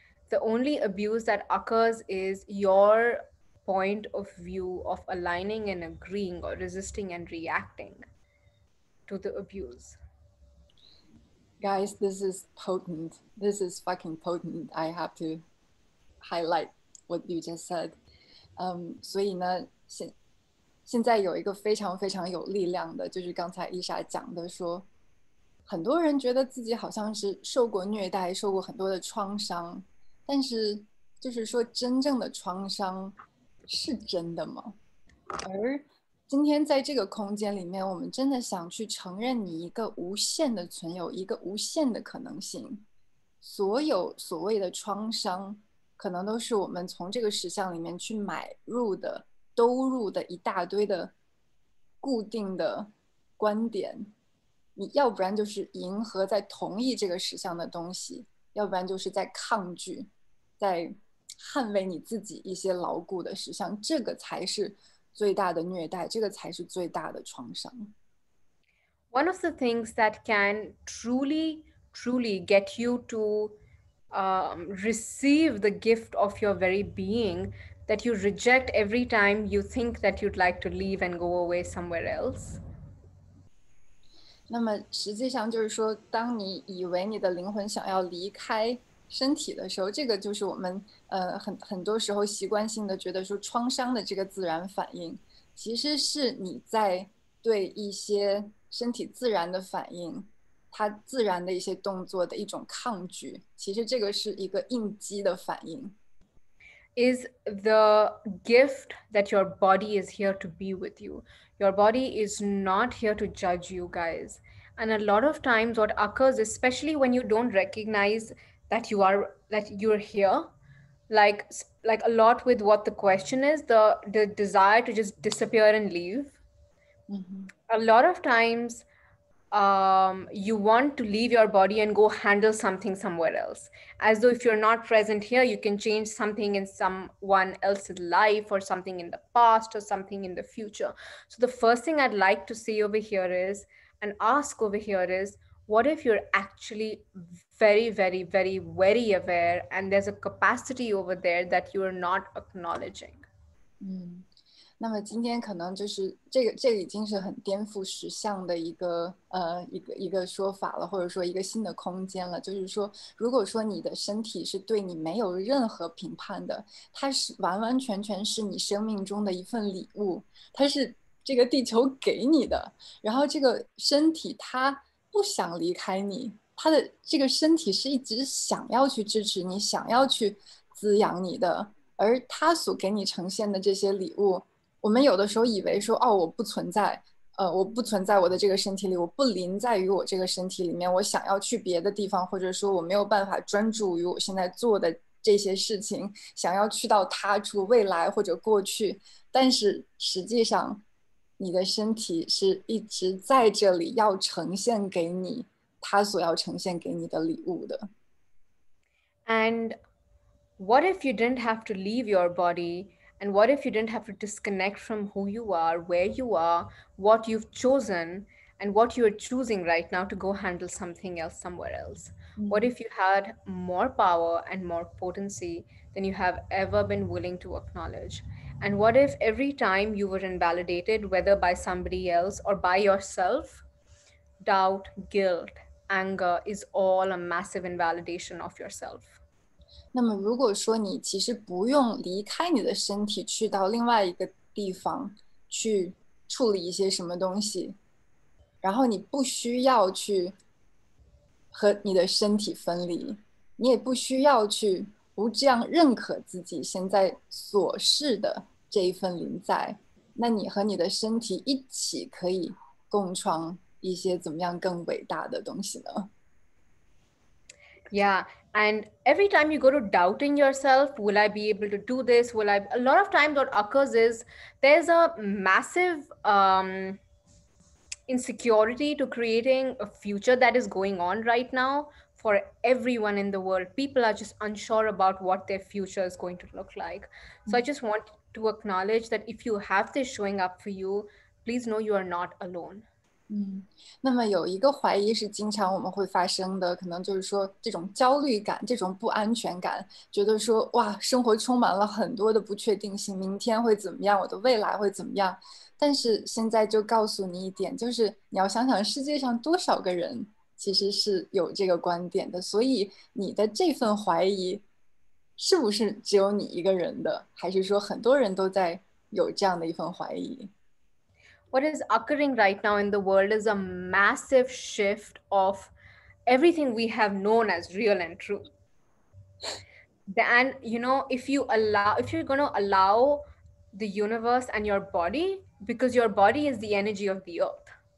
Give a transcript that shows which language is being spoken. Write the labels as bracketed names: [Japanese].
[English] The only abuse that occurs is your point of view of aligning and agreeing or resisting and reacting to the abuse. Guys, this is potent. This is fucking potent. I have to highlight what you just said. [Chinese] 所以呢现在有一个非常非常有力量的，就是刚才Isha讲的说，很多人觉得自己好像是受过虐待，受过很多的创伤，但是就是说真正的创伤是真的吗？而今天在这个空间里面，我们真的想去承认你一个无限的存有，一个无限的可能性。所有所谓的创伤，可能都是我们从这个实相里面去买入的，兜入的一大堆的固定的观点。你要不然就是迎合在同意这个实相的东西，要不然就是在抗拒，在捍卫你自己一些牢固的实相。这个才是最大的虐待，这个才是最大的创伤。 [English] One of the things that can truly, truly get you to receive the gift of your very being that you reject every time you think that you'd like to leave and go away somewhere else. [Chinese] 那么实际上就是说，当你以为你的灵魂想要离开身体的时候，这个就是我们很多时候习惯性的觉得说创伤的这个自然反应，其实是你在对一些身体自然的反应，它自然的一些动作的一种抗拒，其实这个是一个应激的反应。 [English] Is the gift that your body is here to be with you. Your body is not here to judge you guys. And a lot of times what occurs, especially when you don't recognize that you're here, like a lot with what the question is, the desire to just disappear and leave. Mm-hmm. A lot of times you want to leave your body and go handle something somewhere else. As though if you're not present here, you can change something in someone else's life or something in the past or something in the future. So the first thing I'd like to say over here is, and ask over here is, what if you're actually very, very, very, very aware and there's a capacity over there that you're not acknowledging? Mm-hmm. [Chinese] 那么今天可能就是这个已经是很颠覆实相的一个说法了，或者说一个新的空间了。就是说，如果说你的身体是对你没有任何评判的，它是完完全全是你生命中的一份礼物，它是这个地球给你的。然后这个身体它不想离开你，它的这个身体是一直想要去支持你，想要去滋养你的，而它所给你呈现的这些礼物。我们有的时候以为说，哦，我不存在，我不存在我的这个身体里，我不临在于我这个身体里面，我想要去别的地方，或者说我没有办法专注于我现在做的这些事情，想要去到他处，未来或者过去，但是实际上，你的身体是一直在这里要呈现给你，他所要呈现给你的礼物的。 [English] And what if you didn't have to leave your body? And what if you didn't have to disconnect from who you are, where you are, what you've chosen, and what you're choosing right now to go handle something else somewhere else? Mm-hmm. What if you had more power and more potency than you have ever been willing to acknowledge? And what if every time you were invalidated, whether by somebody else or by yourself, doubt, guilt, anger is all a massive invalidation of yourself? [Chinese] 那么如果说你其实不用离开你的身体去到另外一个地方去处理一些什么东西，然后你不需要去和你的身体分离，你也不需要去不这样认可自己现在所是的这一份临在，那你和你的身体一起可以共创一些怎么样更伟大的东西呢？ [English] Yeah, and every time you go to doubting yourself, will I be able to do this? Will I? A lot of times what occurs is there's a massive insecurity to creating a future that is going on right now for everyone in the world. People are just unsure about what their future is going to look like. So I just want to acknowledge that if you have this showing up for you, please know you are not alone. [Chinese] 那么有一个怀疑是经常我们会发生的，可能就是说这种焦虑感，这种不安全感，觉得说哇，生活充满了很多的不确定性，明天会怎么样，我的未来会怎么样。但是现在就告诉你一点，就是你要想想世界上多少个人其实是有这个观点的，所以你的这份怀疑是不是只有你一个人的，还是说很多人都在有这样的一份怀疑。 [English] What is occurring right now in the world is a massive shift of everything we have known as real and true. And you know, if you're going to allow the universe and your body, because your body is the energy of the earth.